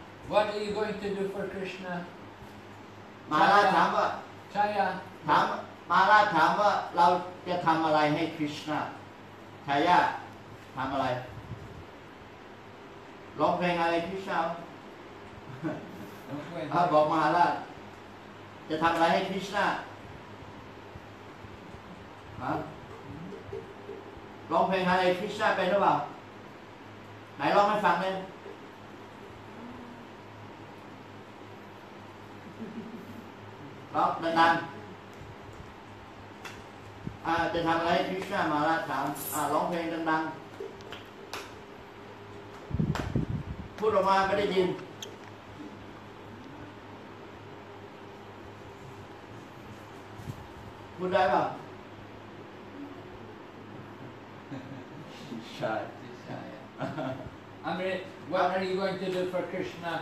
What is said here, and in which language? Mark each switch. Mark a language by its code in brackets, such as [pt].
[en] What are you going to do for Krishna [th] มาราถามว่า ใ ช่ถามมาราถามว่าเราจะทำอะไรให้คริชนาชายาทำอะไรร้องเพลงอะไรคริชนาถ้าบอกมาราจะทำอะไรให้คริชนาฮะร้องเพลงอะไรคริชนาไปหรือเปล่าไหนร้องให้ฟังเลย ร้องดังจะทำอะไรคริชนามาราถามร้องเพลงดังๆพูดออกมาไม่ได้ยินพูดได้ป่ะ ใช่ใช่ [en] Amrit what are you going to do for Krishna